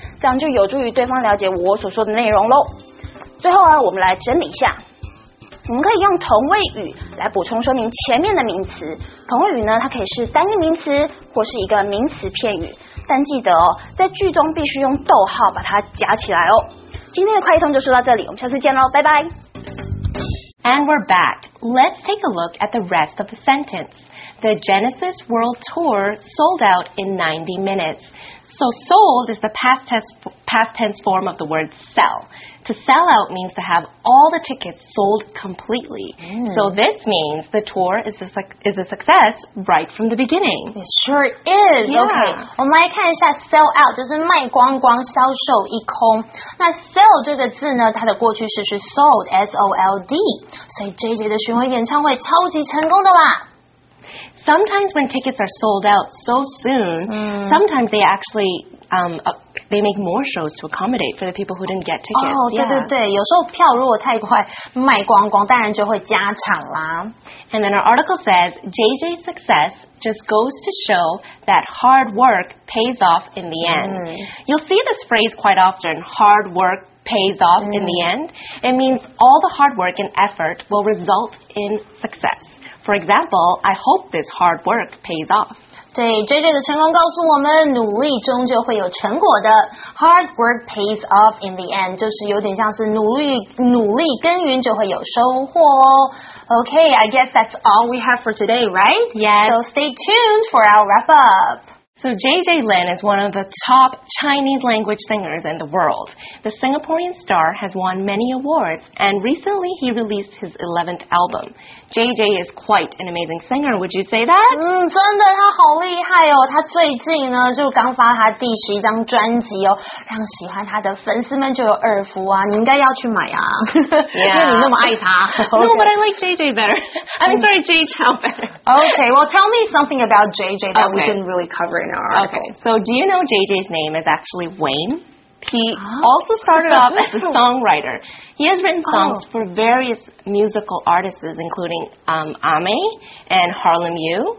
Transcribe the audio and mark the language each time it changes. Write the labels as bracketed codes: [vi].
[zh] 这样就有助于对方了解我所说的内容咯。最后啊，我们来整理一下，我们可以用同位语来补充说明前面的名词。同位语呢，它可以是单一名词或是一个名词片语，但记得哦，在句中必须用逗号把它夹起来哦。今天的快译通就说到这里，我们下次见咯，拜拜。 [en] And we're back. Let's take a look at the rest of the sentence. the Genesis World Tour sold out in 90 minutes. So sold is the past tense form of the word sell. To sell out means to have all the tickets sold completely. Mm. So this means the tour is a success right from the beginning. It sure is. Yeah. [zh] Okay. 我们来看一下 sell out 就是卖光光销售一空。那 sell 这个字呢它的过去式是 sold, S-O-L-D。所以 JJ 的巡回演唱会超级成功的啦。 [en] Sometimes when tickets are sold out so soon, sometimes they actually, they make more shows to accommodate for the people who didn't get tickets. [zh] Oh, 对对对，有时候票如果太快卖光光，当然就会加场啦。 [en] And then our article says, JJ's success just goes to show that hard work pays off in the end. You'll see this phrase quite often, hard work pays off in the end. It means all the hard work and effort will result in success. For example, I hope this hard work pays off. [zh] 对 ,JJ 的成功告诉我们努力终究会有成果的。 [en] Hard work pays off in the end, [zh] 就是有点像是努力耕耘就会有收获哦。 [en] Okay, I guess that's all we have for today, right? Yes. So stay tuned for our wrap up. So JJ Lin is one of the top Chinese language singers in the world. The Singaporean star has won many awards, and recently he released his 11th album. JJ is quite an amazing singer, would you say that? [zh] 真的，他好厉害哦！他最近呢，就刚发他第十一张专辑哦，让喜欢他的粉丝们就有耳福啊！你应该要去买啊，因为你那么爱他。 [en] Okay. No, but I like JJ better. I'm sorry, J Chao better. Okay, well, tell me something about JJ that we didn't really cover. Okay, so do you know JJ's name is actually Wayne? He also started off as a songwriter. He has written songs for various musical artists, including Ame and Harlem Yu.